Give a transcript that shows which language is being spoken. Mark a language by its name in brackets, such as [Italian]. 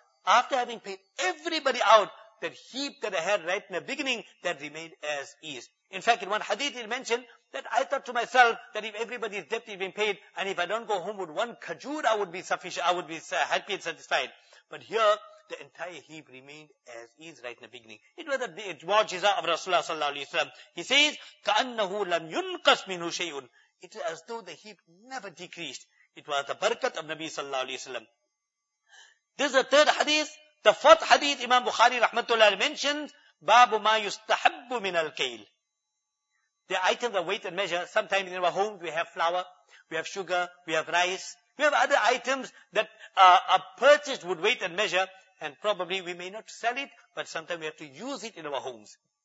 [English] After having paid everybody out, that heap that I had right in the beginning, that remained as is. In fact, in one hadith it mentioned that I thought to myself that if everybody's debt had been paid, and if I don't go home with one khajur, I would be sufficient, I would be happy and satisfied. But here, the entire heap remained as is right in the beginning. It was a mu'jiza of Rasulullah sallallahu alayhi wa sallam. He says, [Arabic] كَأَنَّهُ لَمْ يُنْقَسْ مِنْهُ شَيْءٌ. [English] It was as though the heap never decreased. It was the barakat of Nabi sallallahu alayhi wa sallam. This is the third hadith. The fourth hadith, Imam Bukhari rahmatullah mentions, [Arabic] بَابُ مَا يُسْتَحَبُّ مِنَ الْكَيْلِ. [English] The items of weight and measure, sometimes in our homes we have flour, we have sugar, we have rice, we have other items that are purchased with weight and measure, and probably we may not sell it, but sometimes we have to use it in our homes.